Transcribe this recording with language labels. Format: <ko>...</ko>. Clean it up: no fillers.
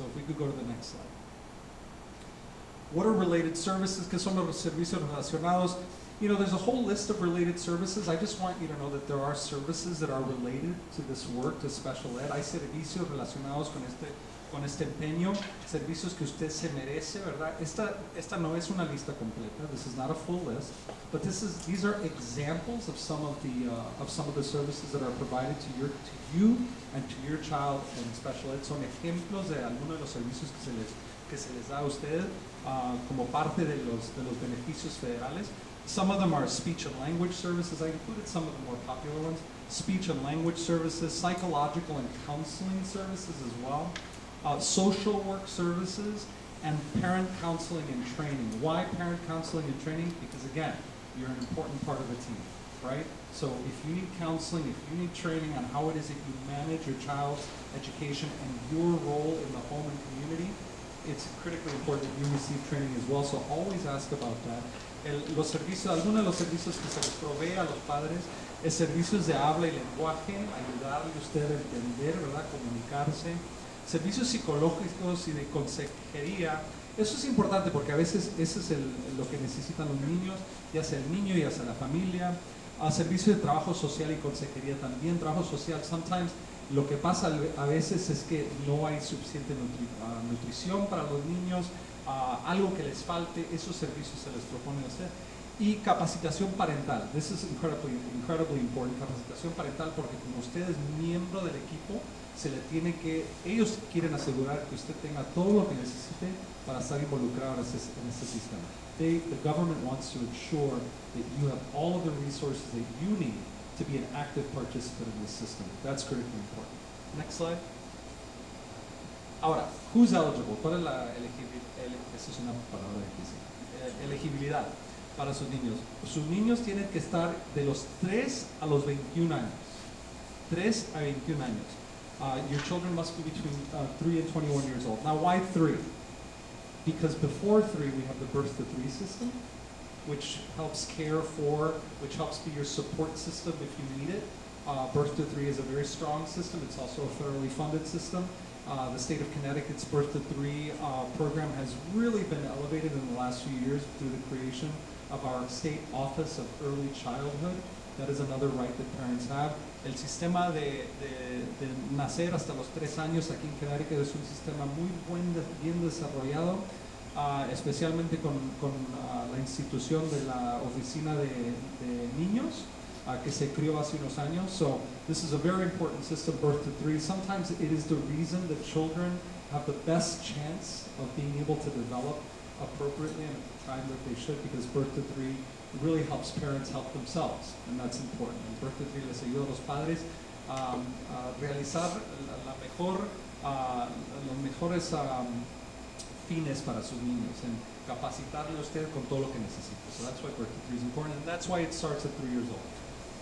<en>So if we could go to the next slide. What are related services?</en> <es>¿Qué son los servicios relacionados?</es> <en>You know, there's a whole list of related services. I just want you to know that there are services that are related to this work, to special ed.</en> <es>Hay servicios relacionados con este empeño, servicios que usted se merece, ¿verdad? Esta no es una lista completa.</es> <en>This is not a full list, but these are examples of some of the services that are provided to you and to your child in special ed.</en> <es>Son ejemplos de algunos de los servicios que se les da a usted como parte de los beneficios federales.</es> <en>Some of them are speech and language services. I included some of the more popular ones. Speech and language services, psychological and counseling services as well. Social work services, and parent counseling and training. Why parent counseling and training? Because again, you're an important part of the team, right? So if you need counseling, if you need training on how it is that you manage your child's education and your role in the home and community, it's critically important that you receive training as well. So always ask about that.</en> <es>Algunos de los servicios que se les provee a los padres es servicios de habla y lenguaje, ayudarle a usted a entender, ¿verdad? Comunicarse. Servicios psicológicos y de consejería, eso es importante porque a veces eso es lo que necesitan los niños, ya sea el niño, ya sea la familia. Servicios de trabajo social y consejería también, trabajo social, sometimes lo que pasa a veces es que no hay suficiente nutrición para los niños, algo que les falte, esos servicios se les propone hacer. Y capacitación parental,</es> <en>this is incredibly, incredibly important,</en> <es>capacitación parental porque como usted es miembro del equipo, se le tiene que, ellos quieren asegurar que usted tenga todo lo que necesite para estar involucrado en ese sistema.</es> <en>The government wants to ensure that you have all of the resources that you need to be an active participant in this system. That's critically important. Next slide. Ahora, who's eligible?</en> <es>¿Cuál es la elegibilidad? Esa es una palabra difícil. Elegibilidad para sus niños. Sus niños tienen que estar de los 3 a los 21 años. 3 a 21 años.</es> <en>Your children must be between 3 and 21 years old. Now, why 3? Because before 3, we have the birth to 3 system, which helps care for, which helps be your support system if you need it. Birth to 3 is a very strong system. It's also a federally funded system. The state of Connecticut's birth to 3 program has really been elevated in the last few years through the creation of our state office of early childhood. That is another right that parents have.</en> <es>El sistema de nacer hasta los 3 años aquí en Connecticut es un sistema muy bien desarrollado, especialmente con la institución de la oficina de niños que se creó hace unos años.</es> <en>So this is a very important system, birth to 3. Sometimes it is the reason that children have the best chance of being able to develop appropriately and at the time that they should, because birth to 3 really helps parents help themselves, and that's important. And birth to 3</en> <es>les ayuda a los padres a realizar los mejores fines para sus niños,</es> <en>and</en> <es>capacitarle a usted con todo lo que necesita.</es> <en>So that's why birth to 3 is important, and that's why it starts at 3 years old.</en>